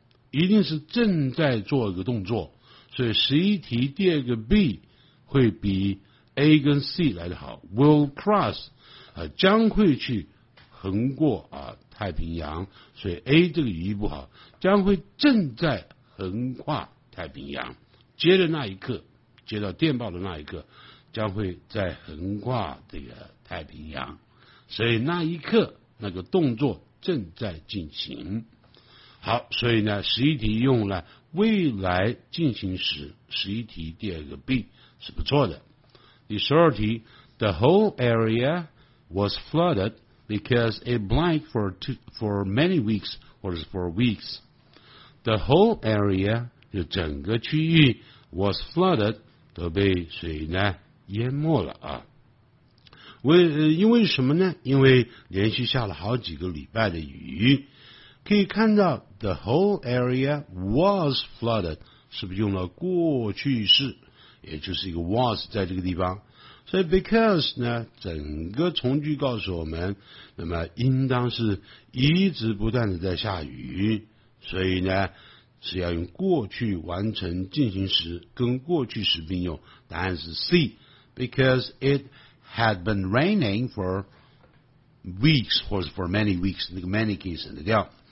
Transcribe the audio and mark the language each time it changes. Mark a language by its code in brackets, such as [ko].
[zh] 一定是正在做一个动作，所以十一题第二个 B 会比 A 跟 C 来得好， [en] will cross、 [zh] 将会去横过、太平洋，所以 A 这个语义不好，将会正在横跨太平洋，接的那一刻，接到电报的那一刻将会在横跨这个太平洋，所以那一刻那个动作正在进行。好，所以呢十一题用了未来进行时，十一题第二个 B 是不错的。 [en] 第十二题， The whole area was flooded because it blanked for many weeks or for weeks。 The whole area [zh] 就整个区域 [en] was flooded [zh] 都被水呢淹没了啊。因为什么呢？因为连续下了好几个礼拜的雨。可以看到 [en] the whole area was flooded， [zh] 是不是用了过去式，也就是一个 was 在这个地方。所以 because 呢，整个从句告诉我们，那么应当是一直不断的在下雨，所以呢是要用过去完成进行时跟过去时并用，答案是 C。 [en] Because it had been raining for weeks, [zh] or for [en] many [zh] weeks, 那个 many 可以省得掉。